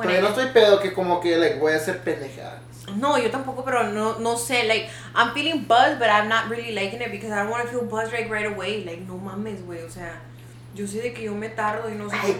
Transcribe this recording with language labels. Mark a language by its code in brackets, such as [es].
[es] Pero yo no estoy pedo que como que like voy a hacer pendejadas. No, yo tampoco, pero no sé, [en] like, I'm feeling buzzed, but I'm not really liking it because I don't want to feel buzzed like right away. [es] Like, no mames, güey, o sea, yo sé de que yo me tardo y no sé